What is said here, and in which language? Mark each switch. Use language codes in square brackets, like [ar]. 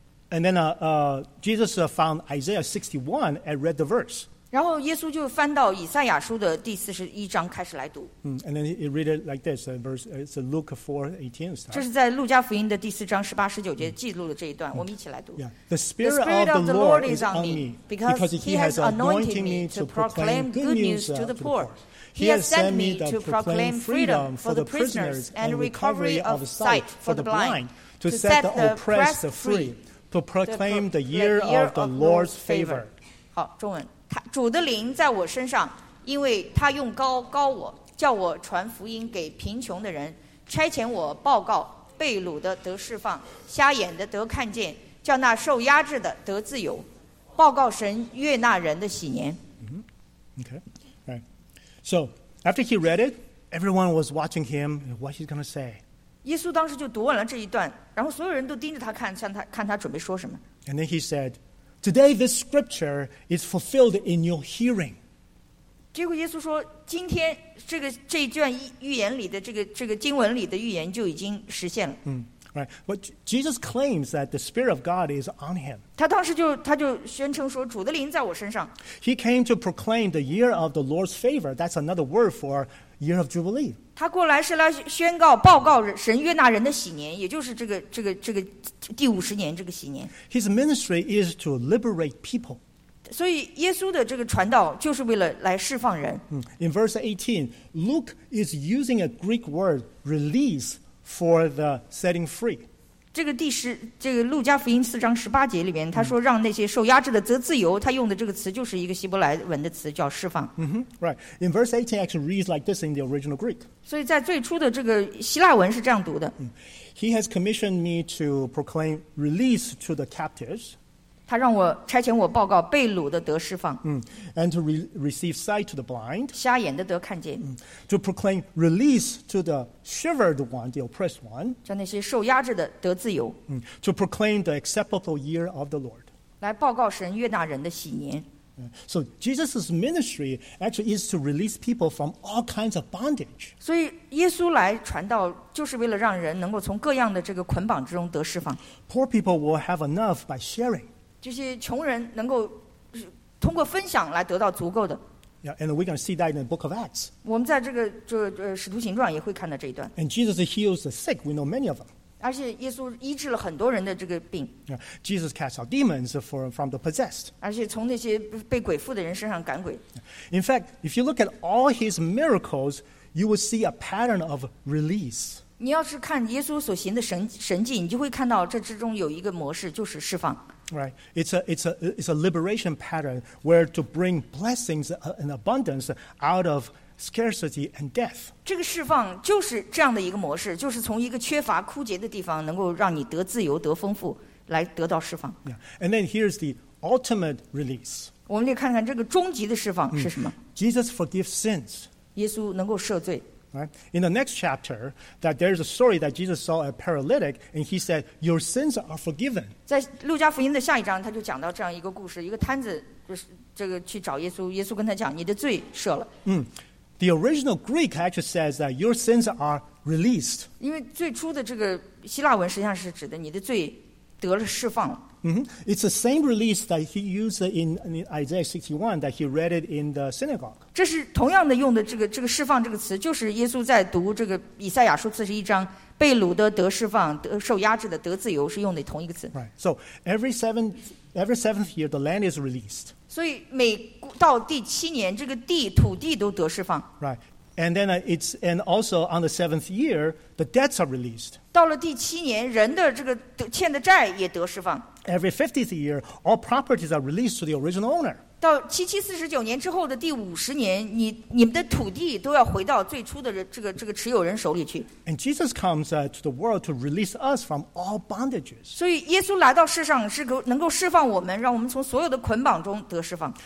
[en] And then Jesus found Isaiah 61 and read the verse [zh] 然后耶稣就翻到以赛亚书的第四十一章开始来读。 [en] And then he read it like this, it's Luke 4:18. [zh] 这是在路加福音的第四章十八十九节记录了这一段，我们一起来读。 [en] Yeah. The spirit of the Lord is on me, because he has anointed me to proclaim good news to the poor. He has sent me to proclaim freedom for the prisoners and recovery of sight for the blind, to set the oppressed free, to proclaim the year of the Lord's favor. [zh] 好，中文。主的灵在我身上，因为他用膏膏我，叫我传福音给贫穷的人，差遣我报告被掳的得释放，瞎眼的得看见，叫那受压制的得自由，报告神悦纳人的喜年。 [en] Okay, right. So after he read it, everyone was watching him. What he's going to say? [zh] 耶稣当时就读完了这一段，然后所有人都盯着他看，看他准备说什么。 [en] And then he said. Today, this scripture is fulfilled in your hearing. [zh] 结果耶稣说，今天这一卷预言里的这个经文里的预言就已经实现了。 [en] Right. But Jesus claims that the Spirit of God is on him. [zh] 他当时就宣称说，主的灵在我身上。 [en] He came to proclaim the year of the Lord's favor. That's another word for year of jubilee. [zh] 他过来是来宣告、报告神悦纳人的喜年，也就是这个第五十年这个喜年。 [en] His ministry is to liberate people. [zh] 所以耶稣的这个传道就是为了来释放人。 [en] In verse 18, Luke is using a Greek word, release. For the setting free, [zh] 这个第十，这个路加福音四章十八节里面，他说让那些受压制的得自由，他用的这个词就是一个希伯来文的词，叫释放。 [en] Mm-hmm. Right. In verse 18, actually reads like this in the original Greek. [zh] 所以在最初的这个希腊文是这样读的。 [en] He has commissioned me to proclaim release to the captives. [zh] 他让我差遣我报告被掳的得释放。 [en] And to receive sight to the blind. [zh] 瞎眼的得看见。 [en] To proclaim release to the shivered one, the oppressed one. [zh] 叫那些受压制的得自由。 [en] To proclaim the acceptable year of the Lord. [zh] 来报告神悦纳人的喜年。 [en] So Jesus' ministry actually is to release people from all kinds of bondage. [zh] 所以耶稣来传道就是为了让人能够从各样的这个捆绑之中得释放。 [en] Poor people will have enough by sharing. [zh] 这些穷人能够通过分享来得到足够的。 [en] Yeah, and we're going to see that in the book of Acts. [zh] 我们在这个使徒行传也会看到这一段。 [en] And Jesus heals the sick. We know many of them. [zh] 而且耶稣医治了很多人的这个病。 [en] Yeah, Jesus casts out demons from the possessed. [zh] 而且从那些被鬼附的人身上赶鬼。 [en] In fact, if you look at all his miracles, you will see a pattern of release. [zh] 你要是看耶稣所行的神迹，你就会看到这之中有一个模式，就是释放。 [en] Right, it's a liberation pattern where to bring blessings and abundance out of scarcity and death. [zh] 这个释放就是这样的一个模式，就是从一个缺乏枯竭的地方，能够让你得自由、得丰富，来得到释放。 [en] Yeah, and then here's the ultimate release. [zh] 我们来看看这个终极的释放是什么。 [en] Jesus forgives sins. [zh] 耶稣能够赦罪。 [en] In the next chapter, that there's a story that Jesus saw a paralytic, and he said, "Your sins are forgiven." [zh] 在路加福音的下一章，他就讲到这样一个故事：一个瘫子就是这个去找耶稣，耶稣跟他讲，你的罪赦了。 [en] The original Greek actually says that your sins are released. [zh] 因为最初的这个希腊文实际上是指的你的罪得了释放了。 [en] It's the same release that he used in Isaiah 61 that he read it in the synagogue. [zh] 这是同样的用的这个释放这个词，就是耶稣在读这个以赛亚书四十一章，被掳的得释放，受压制的得自由，是用的同一个词。 [en] Right. So every seventh year, the land is released. [zh] 所以每到第七年，这个土地都得释放。 [en] Right. And then also on the seventh year, the debts are released. [zh] 到了第七年，人的这个欠的债也得释放。 [en] Every 50th year, all properties are released to the original owner. [zh] 到7749年之后的第50年，你们的土地都要回到最初的这个持有人手里去。 [en] And Jesus comes to the world to release us from all bondages. [zh] 所以耶稣来到世上是能够释放我们，让我们从所有的捆绑中得释放。